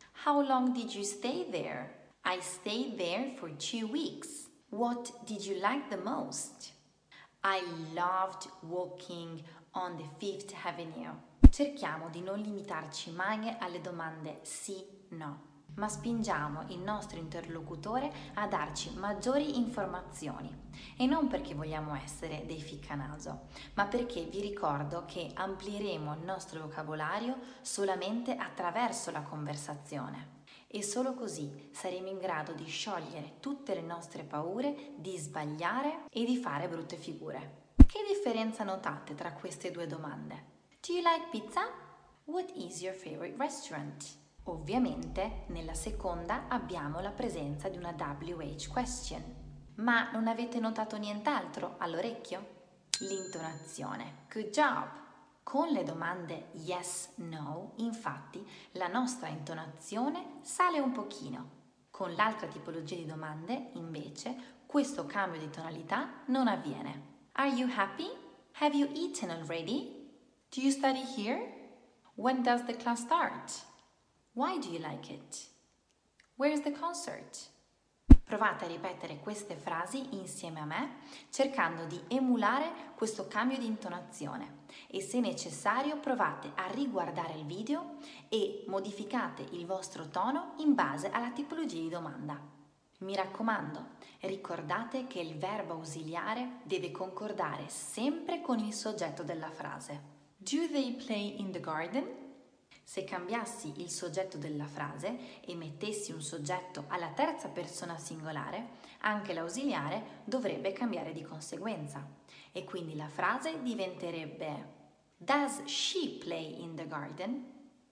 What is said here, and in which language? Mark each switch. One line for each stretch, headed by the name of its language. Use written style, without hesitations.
English: How long did you stay there? I stayed there for 2 weeks. What did you like the most? I loved walking on the Fifth Avenue.
Italian: Cerchiamo di non limitarci mai alle domande sì, no. ma spingiamo il nostro interlocutore a darci maggiori informazioni. E non perché vogliamo essere dei ficcanaso, ma perché vi ricordo che amplieremo il nostro vocabolario solamente attraverso la conversazione. E solo così saremo in grado di sciogliere tutte le nostre paure, di sbagliare e di fare brutte figure. Che differenza notate tra queste due domande?
English: Do you like pizza? What is your favorite restaurant?
Italian: Ovviamente nella seconda abbiamo la presenza di una WH question. Ma non avete notato nient'altro all'orecchio? L'intonazione.
English: Good job!
Italian: Con le domande yes, no, infatti, la nostra intonazione sale un pochino. Con l'altra tipologia di domande, invece, questo cambio di tonalità non avviene.
English: Are you happy? Have you eaten already? Do you study here? When does the class start? Why do you like it? Where's the concert?
Italian: Provate a ripetere queste frasi insieme a me, cercando di emulare questo cambio di intonazione. E se necessario, provate a riguardare il video e modificate il vostro tono in base alla tipologia di domanda. Mi raccomando, ricordate che il verbo ausiliare deve concordare sempre con il soggetto della frase.
English: Do they play in the garden?
Italian: Se cambiassi il soggetto della frase e mettessi un soggetto alla terza persona singolare, anche l'ausiliare dovrebbe cambiare di conseguenza. E quindi la frase diventerebbe
English: Does she play in the garden?